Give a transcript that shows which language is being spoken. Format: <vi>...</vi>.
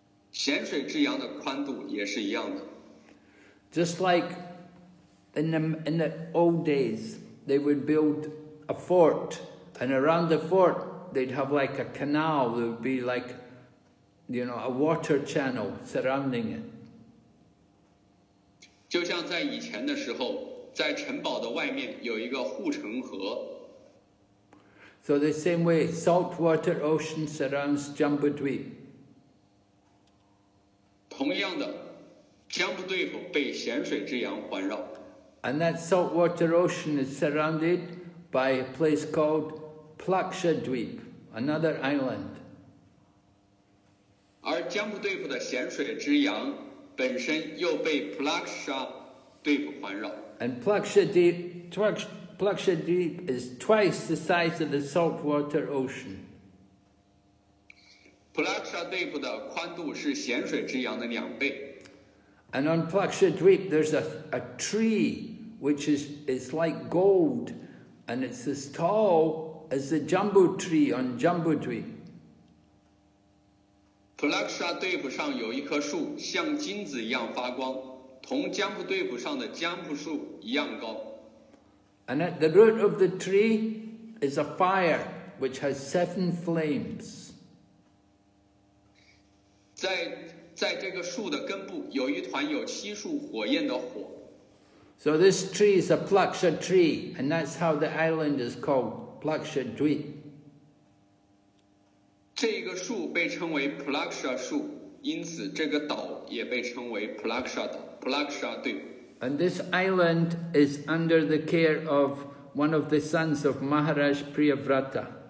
<zh>咸水之洋的宽度也是一样的。</zh> <en>Just like in the old days, they would build a fort, and around the fort, they'd have like a canal. There would be like, you know, a water channel surrounding it.</en> <zh>就像在以前的时候，在城堡的外面有一个护城河。</zh> <en>So the same way, saltwater ocean surrounds Jambudweep.</en> <zh>同样的，江布对普被咸水之洋环绕。</zh> <en>And that saltwater ocean is surrounded by a place called Plakshadweep, another island.</en> <zh>而江布对普的咸水之洋本身又被 Plakshadweep 环绕。</zh> <en>And Plakshadweep is twice the size of the saltwater ocean.</en> <zh>Plakshadweep 的宽度是咸水之洋的两倍。</zh> <en>And on Plakshadweep, there's a tree which is like gold, and it's as tall as the jambu tree on Jambudweep.</en> <zh>Plakshadweep 上有一棵树像金子一样发光，同江布对普上的江布树一样高。</zh> <en>And at the root of the tree is a fire which has seven flames.</en> <zh>在这个树的根部有一团有七束火焰的火。</zh> <en>So this tree is a Plaksha tree, and that's how the island is called, Plakshadweep.</en> <zh>这个树被称为 Plaksha 树，因此这个岛也被称为 Plaksha 岛。</zh> <en>And this island is under the care of one of the sons of Maharaj Priyavrata.</en>